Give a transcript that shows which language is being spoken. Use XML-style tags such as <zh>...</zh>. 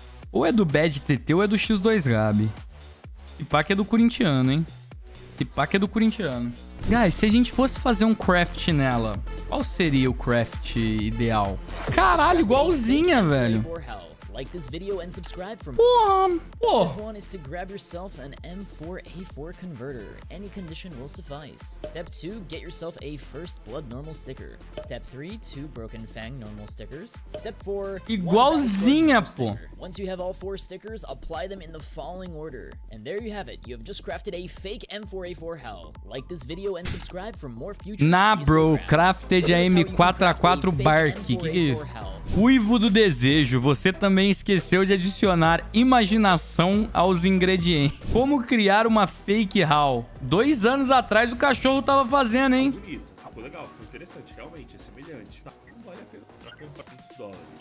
<pt>Ou é do Bad TT ou é do X2 Gabi. E pá que é do corintiano, hein? E pá que é do corintiano. Guys, se a gente fosse fazer um craft nela, qual seria o craft ideal? Caralho, igualzinha, velho.</pt> <en>Like this video and subscribe for more. Pô! Step 1 is to grab yourself an M4A4 converter. Any condition will suffice. Step 2, get yourself a first blood normal sticker. Step 3, two broken fang normal stickers. Step 4,</en> <pt>igualzinha, pô.</pt> <en>Once you have all four stickers, apply them in the following order. And there you have it. You have just crafted a fake M4A4 hell. Like this video and subscribe for more future. Nah, bro, crafted a M4A4 Bark.</en> <pt>Que isso? Uivo do desejo, você também esqueceu de adicionar imaginação aos ingredientes. Como criar uma fake haul? 2 anos atrás o cachorro tava fazendo, hein? Ah, legal, foi interessante, realmente, é semelhante. Não vale a pena trocar pra 20 dólares.</pt>